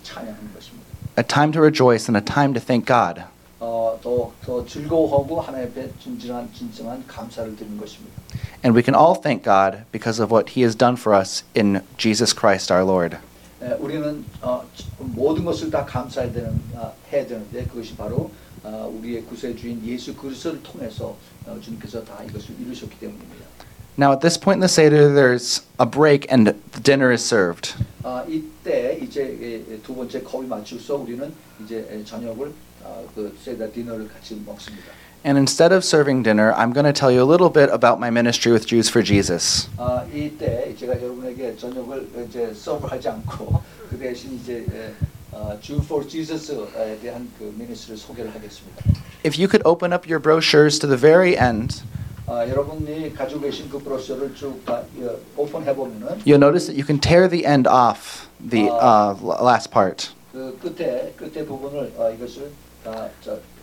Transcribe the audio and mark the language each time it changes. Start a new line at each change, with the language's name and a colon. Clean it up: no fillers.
Korean: 찬양하는 것입니다.
English: A time to rejoice and a time to thank God.
Korean: 더 즐거워하고 하나님 앞에 진정한 감사를 드리는 것입니다.
English: And we can all thank God because of what He has done for us in Jesus Christ our Lord.
Korean: 우리는 모든 것을 다 감사해야 되는 해야 되는데 그것이 바로 우리의 구세주인 예수 그리스도를 통해서 주님께서 다 이것을 이루셨기 때문입니다.
English: Now at this point in the Seder, there's a break and the dinner is served.
Korean: 이때 이제 두 번째 컵이 마치고서 우리는 이제 저녁을 그 세다 디너를 같이 먹습니다.
English: And instead of serving dinner, I'm going to tell you a little bit about my ministry with Jews for Jesus.
Korean: 이때 제가 여러분에게 저녁을 이제 서브하지 않고 그 대신 이제 Jew for Jesus에 대한 그 미니스트리를 소개를 하겠습니다.
English: If you could open up your brochures to the very end,
Korean: 여러분이 가지고 계신 그 브로셔를 쭉 오픈해 보면은
English: you'll notice that you can tear the end off the last part.
Korean: 그 끝에 부분을 이것을 다 저